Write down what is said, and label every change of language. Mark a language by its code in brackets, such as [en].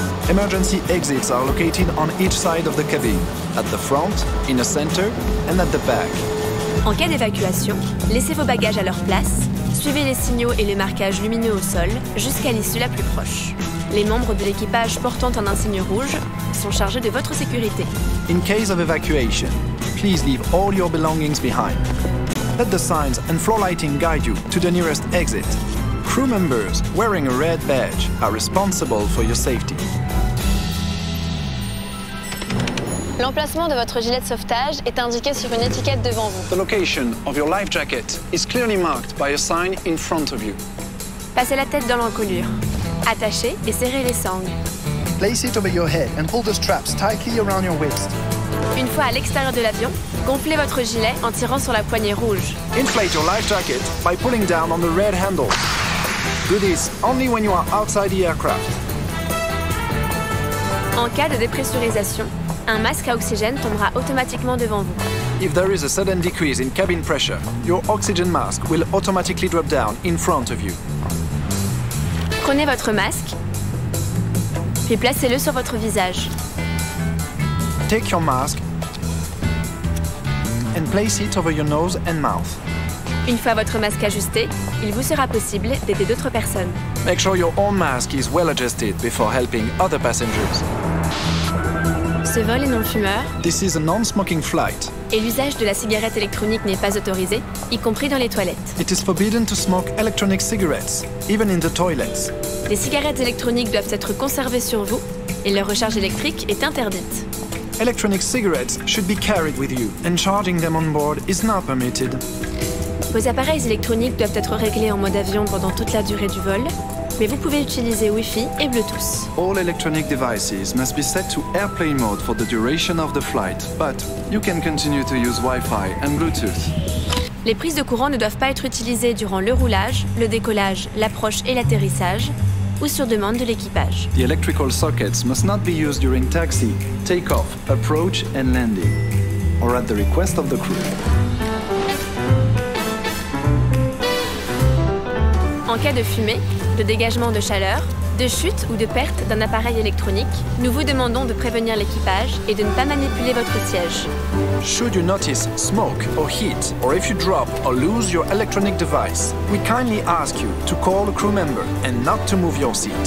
[en] Emergency exits are located on each side of the cabin, at the front, in the center, and at the back. [fr] En cas d'évacuation, laissez vos bagages à leur place, suivez les signaux et les marquages lumineux au sol jusqu'à l'issue la plus proche. Les membres de l'équipage portant un insigne rouge sont chargés de votre sécurité. [en] In case of evacuation, please leave all your belongings behind. Let the signs and floor lighting guide you to the nearest exit. Crew members wearing a red badge are responsible for your safety. [fr] L'emplacement de votre gilet de sauvetage est indiqué sur une étiquette devant vous. [en] The location of your life jacket is clearly marked by a sign in front of you. [fr] Passez la tête dans l'encolure. Attachez et serrez les sangles. [en] Place it over your head and pull the straps tightly around your waist. [fr] Une fois à l'extérieur de l'avion, gonflez votre gilet en tirant sur la poignée rouge. [en] Inflate your life jacket by pulling down on the red handle. Do this only when you are outside the aircraft. [fr] En cas de dépressurisation, un masque à oxygène tombera automatiquement devant vous. [en] If there is a sudden decrease in cabin pressure, your oxygen mask will automatically drop down in front of you. [fr] Prenez votre masque, puis placez-le sur votre visage. [en] Take your mask and place it over your nose and mouth. [fr] Une fois votre masque ajusté, il vous sera possible d'aider d'autres personnes. [en] Make sure your own mask is well adjusted before helping other passengers. [fr] Ce vol est non-fumeur. [en] This is a non-smoking flight. [fr] Et l'usage de la cigarette électronique n'est pas autorisé, y compris dans les toilettes. [en] It is forbidden to smoke electronic cigarettes, even in the toilets. [fr] Les cigarettes électroniques doivent être conservées sur vous et leur recharge électrique est interdite. [en] Electronic cigarettes should be carried with you and charging them on board is not permitted. [fr] Vos appareils électroniques doivent être réglés en mode avion pendant toute la durée du vol, mais vous pouvez utiliser Wi-Fi et Bluetooth. [en] All electronic devices must be set to airplane mode for the duration of the flight, but you can continue to use Wi-Fi and Bluetooth. [fr] Les prises de courant ne doivent pas être utilisées durant le roulage, le décollage, l'approche et l'atterrissage, ou sur demande de l'équipage. [en] The electrical sockets must not be used during taxi, take-off, approach and landing, or at the request of the crew. [fr] En cas de fumée, de dégagement de chaleur, de chute ou de perte d'un appareil électronique, nous vous demandons de prévenir l'équipage et de ne pas manipuler votre siège. [en] Should you notice smoke or heat, or if you drop or lose your electronic device, we kindly ask you to call a crew member and not to move your seat.